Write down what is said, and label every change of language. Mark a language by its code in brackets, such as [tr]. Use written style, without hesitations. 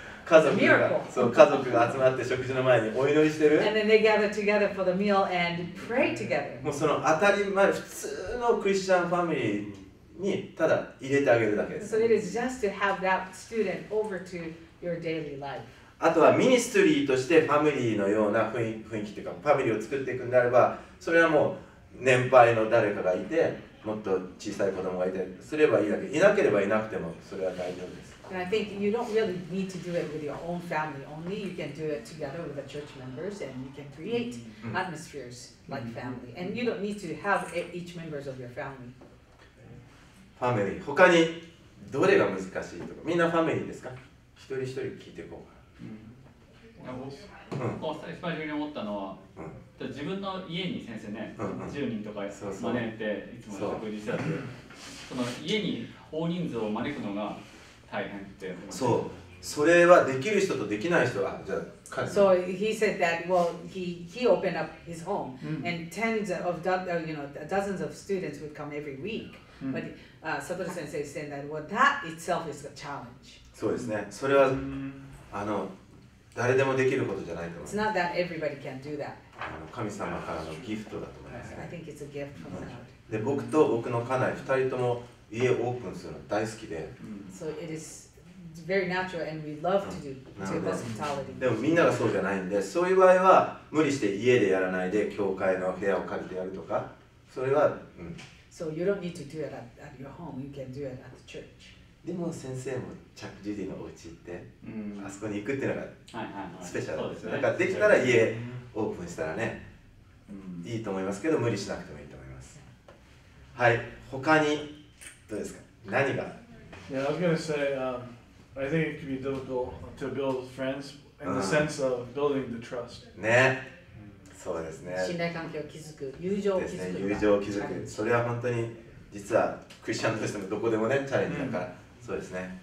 [ja] 家族が、そう、家族が集まって食事の前にお祈りしてる。 [en] And then they gather together for the meal and pray together. [ja] もうその当たり前、普通のクリスチャンファミリー。にただ入れてあげるだけです。 [en] So it is just to have that student over to your daily life. [ja] あとはミニストリーとしてファミリーのような雰囲気というかファミリーを作っていくんであれば、それはもう年配の誰かがいて、もっと小さい子供がいてすればいいだけ。いなければいなくてもそれは大丈夫です。 [en] And I think you don't really need to do it with your own family only. You can do it together with the church members, and you can create atmospheres like family. And you don't need to have each members of your family. [ja] ファミリー、他にどれが難しいとか、みんなファミリーですか？一人一人聞いていこうか。スパイジュに思ったのは、自分の家に先生ね、10人とか招いていつも食事してたって、その家に大人数を招くのが大変って思って。そう、それはできる人とできない人が、じゃあ、 [en] So he said that, well, he opened up his home, and tens of, you know, dozens of students would come every week. But Satoru sensei said that, well, that itself is a challenge. [ja] そうですね。それは、誰でもできることじゃないと思います。 [en] It's not that everybody can do that. [ja] 神様からのギフトだと思いますね。 [en] I think it's a gift from God. [ja] で、僕と僕の家内、二人とも家をオープンするの大好きで。 [en] So it is... Very natural, and we love to do hospitality. [ja] でもみんながそうじゃないんで、そういう場合は無理して家でやらないで教会の部屋を借りてやるとか、それは。 [en] So you don't need to do it at your home. You can do it at the church. [ja] でも先生もチャック・ジュディのお家行って、あそこに行くっていうのがスペシャルですよ。だからできたら家オープンしたらね、いいと思いますけど、無理しなくてもいいと思います。はい、他にどうですか？何が？ [en] Yeah, I was gonna say. I think it could be difficult to build friends in the sense of building the trust. [ja] ね、そうですね。信頼関係を築く、友情を築く。ですね、友情を築く。それは本当に、実はクリスチャンとしてもどこでもね、チャレンジだから、そうですね。